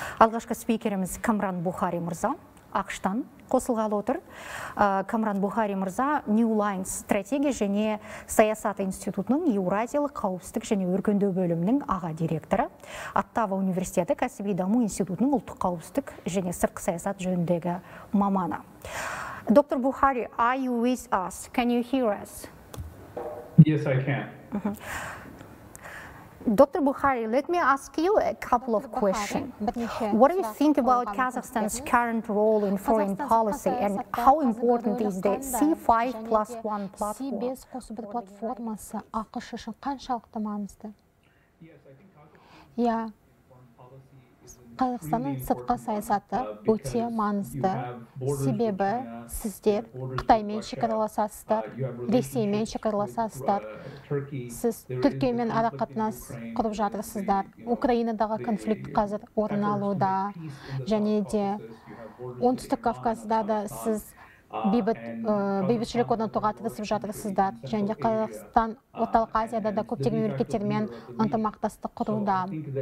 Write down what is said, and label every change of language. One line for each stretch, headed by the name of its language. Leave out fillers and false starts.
Kazakh: Алғашқы спикеріміз Камран Бухари мырза, ақштан қосылғалы отыр. Камран Бухари мырза New Lines стратегия және саясат институтының Еуразиялық қауіпсіздік және өркендеу бөлімінің аға директоры, Оттава университеті кәсіби даму институтының ұлттық қауіпсіздік және сыртқы саясат жөніндегі маманы.
English: Доктор Бухари, are you with us? Can you hear us? Yes, I can. Dr. Bukhari, let me ask you a couple of questions. What do you think about Kazakhstan's current role in foreign policy and how important is the C5+1 platform? Yeah.
Kazakh: Қазақстанның сыртқы саясаты өте маңызды. Себебі сіздер Қытаймен шекараласасыздар, Ресеймен шекараласасыздар, сіз Түркиямен арақатынас құрып жатырсыздар. Украинадағы конфликт қазір орын алуда, және де оңтүстік Кавказда да сіз бейбітшілік орнатуға тырысып жатырсыздар, және де Қазақстан Орталық Азияда да көптеген мемлекеттермен ынтымақтастық құруда.